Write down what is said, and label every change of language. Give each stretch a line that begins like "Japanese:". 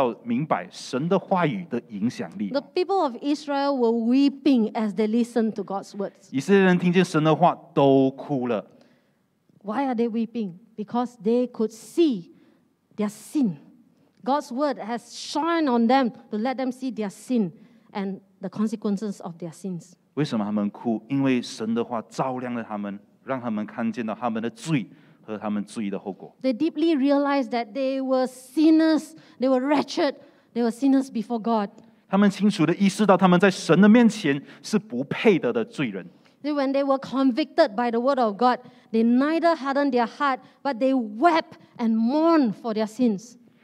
Chinese: 我们刚读的这几节经文，让我们看到明白神的话语的影响力。
English: The people of Israel were weeping as they listened to God's words.
Chinese: 以色列人听见神的话都哭了。
English: Why are they weeping? Because they could see their sin. God's word has shined on them to let them see their sin and the consequences of their sins.
Chinese: 为什么他们哭？因为神的话照亮了他们，让他们看见到他们的罪和他们罪的后果。
English: They deeply realized that they were sinners, they were wretched, they were sinners before God.
Chinese: 他们清楚地意识到他们在神的面前是不配得的罪人。
English: Then when they were convicted by the word of God, they neither hardened their heart, but they wept and mourned for their sins.